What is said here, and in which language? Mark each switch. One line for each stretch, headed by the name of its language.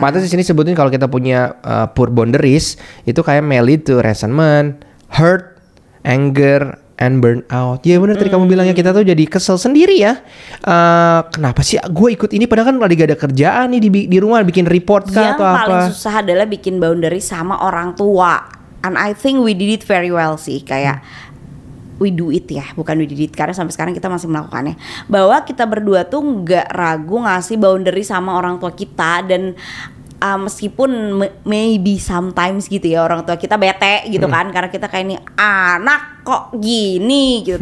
Indonesian: Maksudnya di sini sebutin kalau kita punya poor boundaries itu kayak
English: may lead to resentment, hurt, anger, and burnout.
Indonesian: Ya benar tadi kamu bilangnya kita tuh jadi kesel sendiri ya. Kenapa sih gue ikut ini padahal kan lagi gak ada kerjaan nih di rumah bikin report kah yang atau apa? Yang paling susah adalah bikin boundary sama orang tua.
English: And I think we did it very well sih kayak. We do it
Indonesian: ya, bukan
English: we did it,
Indonesian: karena sampai sekarang kita masih melakukannya. Bahwa kita berdua tuh gak ragu ngasih boundary sama orang tua kita. Dan meskipun maybe sometimes gitu ya orang tua kita bete gitu kan, karena kita kayak ini anak kok gini gitu.